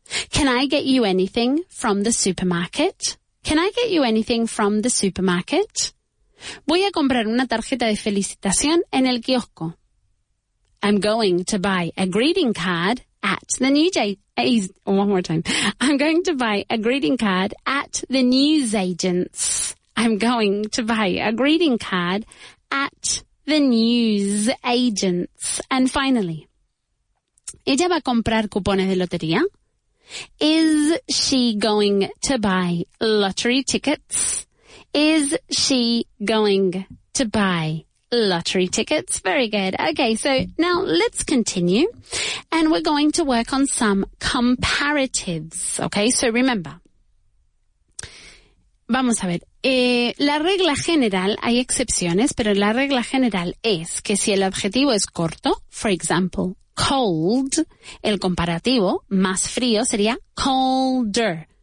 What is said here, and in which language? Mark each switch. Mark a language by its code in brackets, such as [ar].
[en] Can I get you anything from the supermarket? Can I get you anything from the supermarket? [es] Voy a comprar una tarjeta de felicitación en el kiosco. [en] I'm going to buy a greeting card at the newsagents. One more time. I'm going to buy a greeting card at the newsagents. I'm going to buy a greeting card at the newsagents. And finally, [es] ¿ella va a comprar cupones de lotería? [en] Is she going to buy lottery tickets? Is she going to buy lottery tickets? Very good. Okay, so now let's continue. And we're going to work on some comparatives. Okay, so remember. [es] Vamos a ver. La regla general, hay excepciones, pero la regla general es que si el adjetivo es corto, [en] for example, cold, [es] el comparativo más frío sería colder.